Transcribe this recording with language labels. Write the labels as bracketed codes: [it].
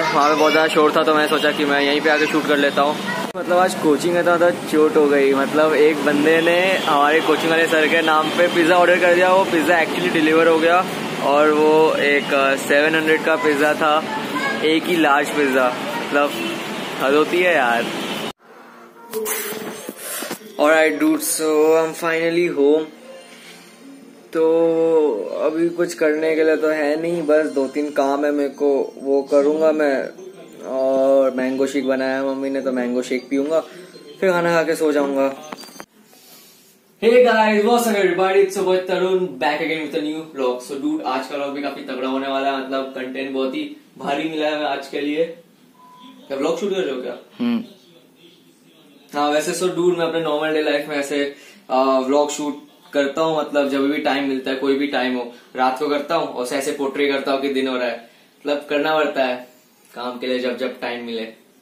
[hi] वहाँ पे बहुत ज़्यादा शोर था तो मैं सोचा कि मैं यहीं पे आके शूट कर लेता हूँ. मतलब आज कोचिंग इतना था चोट हो गई, मतलब एक बंदे ने हमारे कोचिंग वाले सर के नाम पे पिज़्ज़ा ऑर्डर कर दिया, वो पिज़्ज़ा एक्चुअली डिलीवर हो गया और वो एक 700 का पिज़्ज़ा था, एक ही लार्ज पिज़्ज़ा, मतलब हद होती है यार. [en] Alright dude, so I'm finally home. [hi] तो अभी कुछ करने के लिए तो है नहीं, बस 2-3 काम है मेरे को, वो करूंगा मैं. और मैंगो शेक बनाया है मम्मी ने तो मैंगो शेक पीऊंगा, फिर खाना खा के सो जाऊंगा. [en] Hey guys, what's up everybody? It's your boy Tarun back again with a new vlog. So dude, [hi] आज का व्लॉग भी काफी तगड़ा होने वाला है, मतलब कंटेंट बहुत ही भारी मिला है आज के लिए. क्या व्लॉग शूट कर रहे हो क्या? हाँ वैसे सो डूड मैं अपने नॉर्मल डे लाइफ में ऐसे व्लॉग शूट करता हूँ, मतलब जब भी टाइम मिलता है कोई भी टाइम हो रात को करता हूँ, और ऐसे पोर्ट्रेट करता हूँ कि दिन हो रहा है, मतलब करना पड़ता है काम के लिए जब जब टाइम मिले.